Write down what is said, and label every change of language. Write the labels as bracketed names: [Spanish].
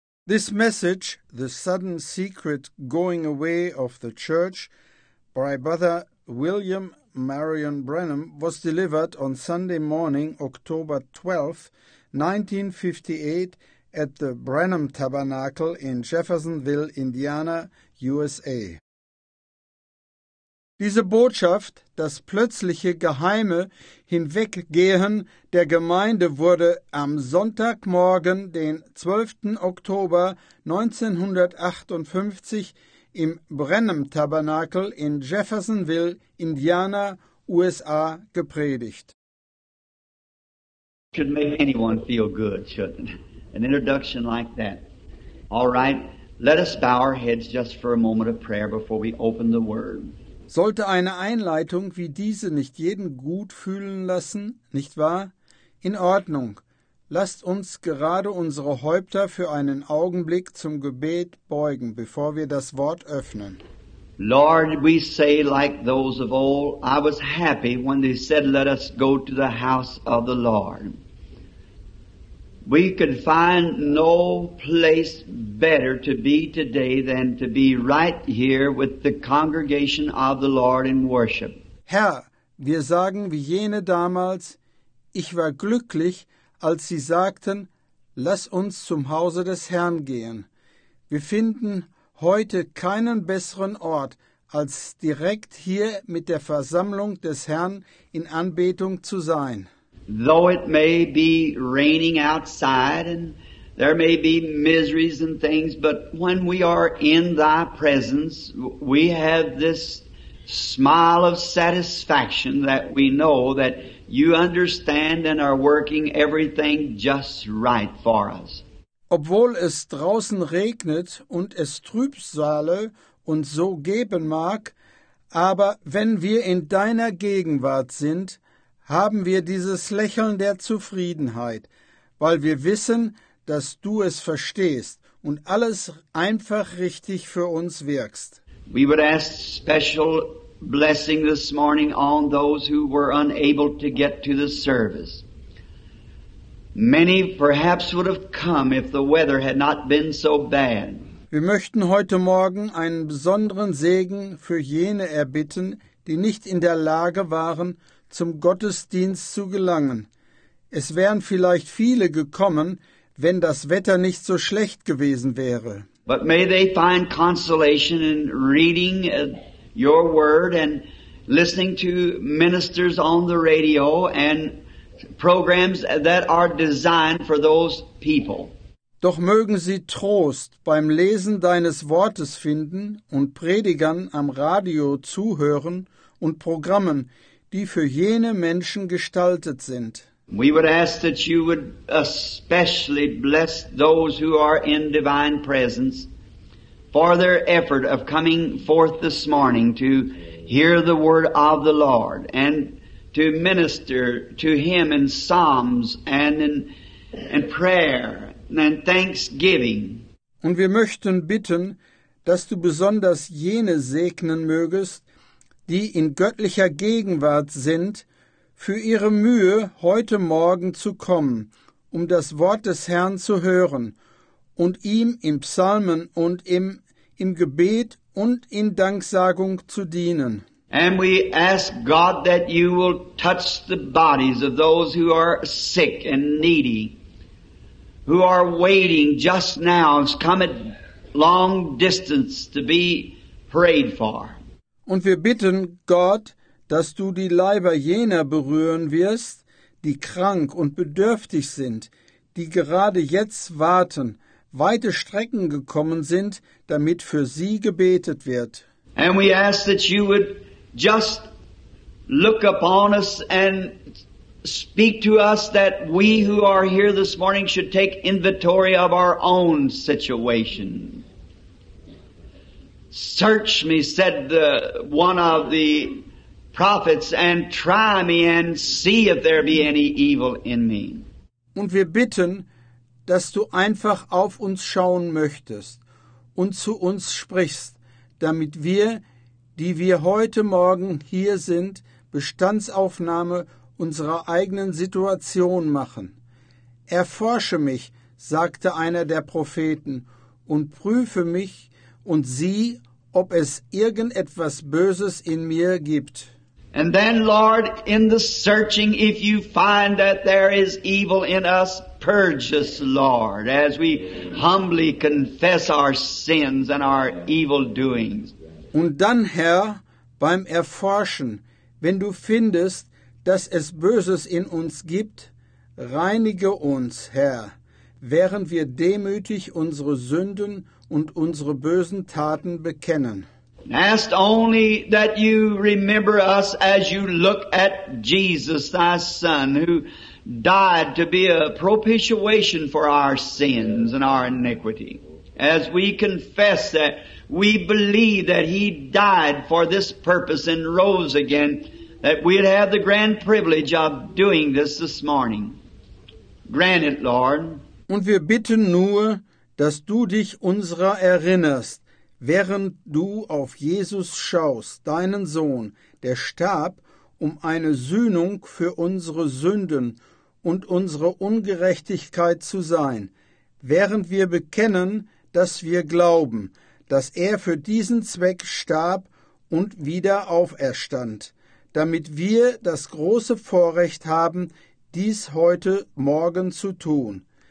[English] This message, The Sudden Secret Going Away of the Church, by Brother William Marion Branham, was delivered on Sunday morning, October 12, 1958, at the Branham Tabernacle in Jeffersonville, Indiana, USA. [German] Diese Botschaft, das plötzliche geheime Hinweggehen der Gemeinde, wurde am Sonntagmorgen, den 12. Oktober 1958, im Branham Tabernacle in Jeffersonville, Indiana, USA, gepredigt. [English] Should make anyone feel good, shouldn't it? An introduction like that. All right, let us bow our heads just for a moment of prayer before we open the Word. [German] Sollte eine Einleitung wie diese nicht jeden gut fühlen lassen, nicht wahr? In Ordnung, lasst uns gerade unsere Häupter für einen Augenblick zum Gebet beugen, bevor wir das Wort öffnen. [English] Lord, we say like those of old, I was happy when they said, let us go to the house of the Lord. We could find no place better to be today than to be right here with the congregation of the Lord in worship. [German] Herr, wir sagen wie jene damals, ich war glücklich, als sie sagten, lass uns zum Hause des Herrn gehen. Wir finden heute keinen besseren Ort, als direkt hier mit der Versammlung des Herrn in Anbetung zu sein. [English] Though it may be raining outside and there may be miseries and things, but when we are in thy presence, we have this smile of satisfaction that we know that you understand and are working everything just right for us. [German] Obwohl es draußen regnet und es Trübsale und so geben mag, aber wenn wir in deiner Gegenwart sind, haben wir dieses Lächeln der Zufriedenheit, weil wir wissen, dass du es verstehst und alles einfach richtig für uns wirkst. [English] We would ask special blessing this morning on those who were unable to get to the service. Many perhaps would have come if the weather had not been so bad. [German] Wir möchten heute Morgen einen besonderen Segen für jene erbitten, die nicht in der Lage waren, zum Gottesdienst zu gelangen. Es wären vielleicht viele gekommen, wenn das Wetter nicht so schlecht gewesen wäre. [English] But may they find consolation in reading your word and listening to ministers on the radio and programs that are designed for those people. [German] Doch mögen sie Trost beim Lesen deines Wortes finden und Predigern am Radio zuhören und Programmen, die für jene Menschen gestaltet sind. [English] We would ask that you would especially bless those who are in divine presence for their effort of coming forth this morning to hear the word of the Lord and to minister to him in psalms and in prayer and thanksgiving. [German] Und wir möchten bitten, dass du besonders jene segnen mögest, die in göttlicher Gegenwart sind, für ihre Mühe, heute Morgen zu kommen, um das Wort des Herrn zu hören und ihm im Psalmen und im Gebet und in Danksagung zu dienen. [English] And we ask God that you will touch the bodies of those who are sick and needy, who are waiting just now, has come at long distance to be prayed for. [German] Und wir bitten Gott, dass du die Leiber jener berühren wirst, die krank und bedürftig sind, die gerade jetzt warten, weite Strecken gekommen sind, damit für sie gebetet wird. [English] And we ask that you would just look upon us and speak to us that we who are here this morning should take inventory of our own situation. Search me, said one of the prophets, and try me and see if there be any evil in me. [German] Und wir bitten, dass du einfach auf uns schauen möchtest und zu uns sprichst, damit wir, die wir heute Morgen hier sind, Bestandsaufnahme unserer eigenen Situation machen. Erforsche mich, sagte einer der Propheten, und prüfe mich und sieh, ob es irgendetwas Böses in mir gibt. [English] And then, Lord, in the searching, if you find that there is evil in us, purge us, Lord, as we humbly confess our sins and our evil doings. [German] Und dann, Herr, beim Erforschen, wenn du findest, dass es Böses in uns gibt, reinige uns, Herr, während wir demütig unsere Sünden und unsere bösen Taten bekennen. [English] Ask only that you remember us as you look at Jesus, thy Son, who died to be a propitiation for our sins and our iniquity. As we confess that, we believe that he died for this purpose and rose again, that we'd have the grand privilege of doing this morning. Grant it, Lord. [German] Und wir bitten nur, dass du dich unserer erinnerst, während du auf Jesus schaust, deinen Sohn, der starb, um eine Sühnung für unsere Sünden und unsere Ungerechtigkeit zu sein, während wir bekennen, dass wir glauben, dass er für diesen Zweck starb und wieder auferstand, damit wir das große Vorrecht haben, dies heute Morgen zu tun.